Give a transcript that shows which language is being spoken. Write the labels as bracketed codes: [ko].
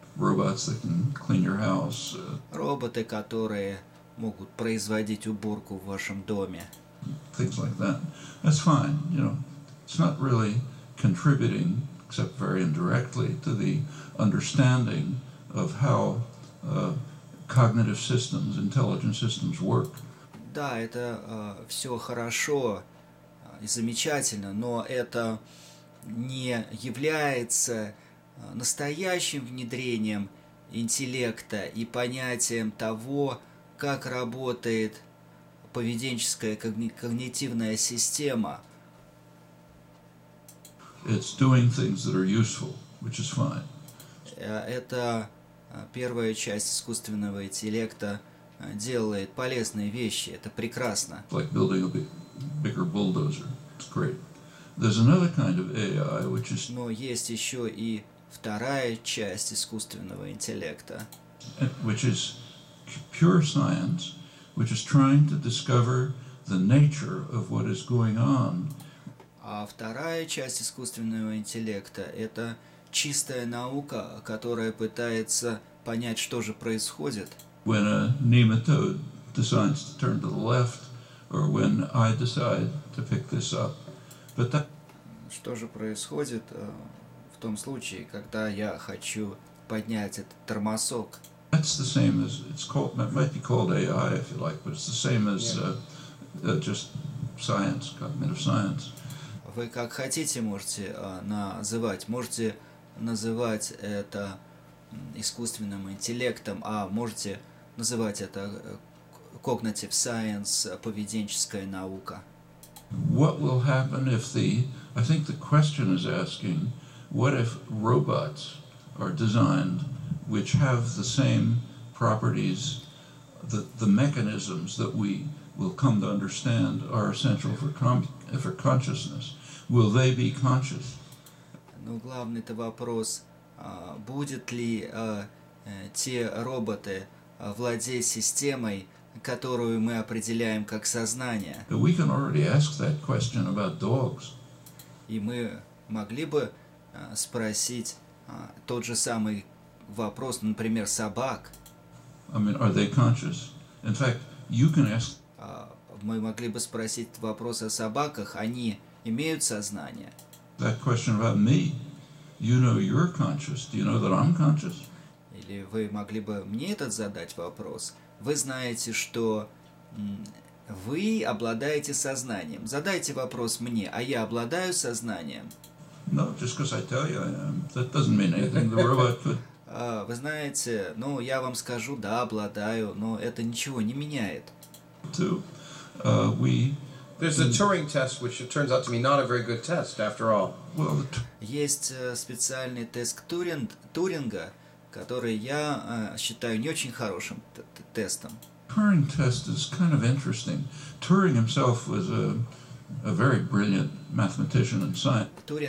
[en] Robots that can clean your house. [ru] Роботы, которые могут производить уборку в вашем доме. [en] Things like that. That's fine, you know. It's not really contributing, except very indirectly, to the understanding of how cognitive systems, intelligent systems work. [ru] Да, это все хорошо и замечательно, но это не является настоящим внедрением интеллекта и понятием того, как работает поведенческая когнитивная система. [en] It's doing things that are useful, which is fine. [ru] Это первая часть искусственного интеллекта делает полезные вещи. Это прекрасно. [en] Like building a bigger bulldozer. It's great. There's another kind of AI, which is... [ru] Но есть еще и вторая часть искусственного интеллекта. [en] Which is pure science, which is trying to discover the nature of what is going on. [ru] А вторая часть искусственного интеллекта – это чистая наука, которая пытается понять, что же происходит. [en] When a nematode decides to turn to the left, or when I decide to pick this up, but that... [ru] Что же происходит в том случае, когда я хочу поднять этот тормозок? [en] That's the same as it's called. It might be called AI if you like, but it's the same as just science, cognitive science. [ru] Вы как хотите можете называть, можете называть это искусственным интеллектом, а можете называть это cognitive science, поведенческая наука. [en] What will happen if the... I think the question is asking, what if robots are designed which have the same properties, the mechanisms that we will come to understand are essential for consciousness? Will they be conscious? [ru] Ну, главный-то вопрос, будут ли те роботы владеть системой, которую мы определяем как сознание? [en] We can already ask that question about dogs. [ru] И мы могли бы спросить тот же самый вопрос, например, собак. [en] I mean, are they conscious? In fact, you can ask... [ru] Мы могли бы спросить вопрос о собаках, они имеют сознание. [en] That question about me. You know you're conscious. Do you know that I'm conscious? [ru] Или вы могли бы мне этот задать вопрос? Вы знаете, что вы обладаете сознанием. Задайте вопрос мне, а я обладаю сознанием? [en] No, just because I tell you I am. That doesn't mean anything. The robot could... [ru] Вы знаете, ну, я вам скажу, да, обладаю, но это ничего не меняет. To, [en] There's a Turing test, which it turns out to be not a very good test, after all. [ru] Есть специальный тест Туринга, который я считаю не очень хорошим тестом. [en] Turing test is kind of interesting. Turing himself was a very brilliant mathematician and scientist.